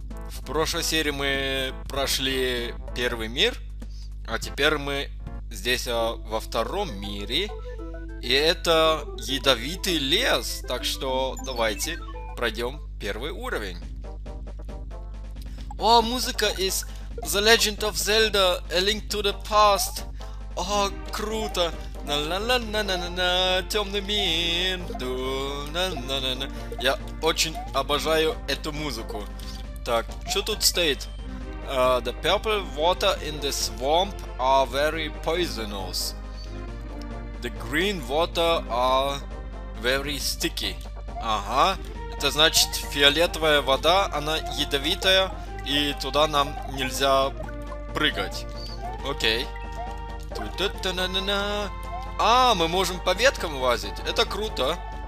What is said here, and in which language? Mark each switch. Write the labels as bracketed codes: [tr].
[ru] В прошлой серии мы прошли первый мир, а теперь мы здесь во втором мире. И это ядовитый лес, так что давайте пройдем первый уровень. О, музыка из The Legend of Zelda A Link to the Past. О, круто! На-на-на-на-на-на-на, темный мир, ду-на-на-на-на. Я очень обожаю эту музыку. Так, что тут стоит? [en] The purple water in the swamp are very poisonous. The green water are very sticky. [ru] Ага, это значит, фиолетовая вода, она ядовитая, и туда нам нельзя прыгать. Окей. Ту-ту-ту-на-на-на. А, мы можем по веткам лазить. Это круто.